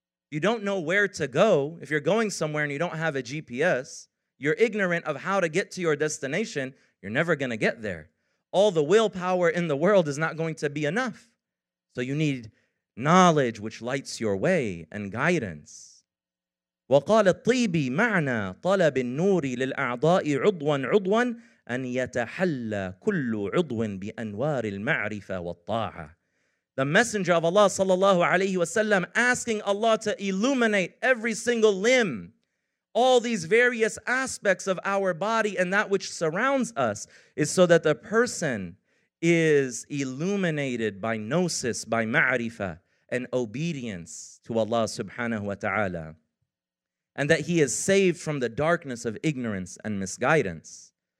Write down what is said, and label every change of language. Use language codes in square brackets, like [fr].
[en] You don't know where to go. If you're going somewhere and you don't have a GPS, you're ignorant of how to get to your destination. You're never going to get there. All the willpower in the world is not going to be enough. So you need knowledge which lights your way and guidance. [ar] وقال الطيبي معنى طلب النور للأعضاء عضوا عضوا أن يتحلى كل عضو بأنوار المعرفة والطاعة. [en] The messenger of Allah sallallahu alayhi wasallam asking Allah to illuminate every single limb, all these various aspects of our body and that which surrounds us, is so that the person is illuminated by gnosis, by ma'rifah, and obedience to Allah subhanahu wa ta'ala, and that he is saved from the darkness of ignorance and misguidance.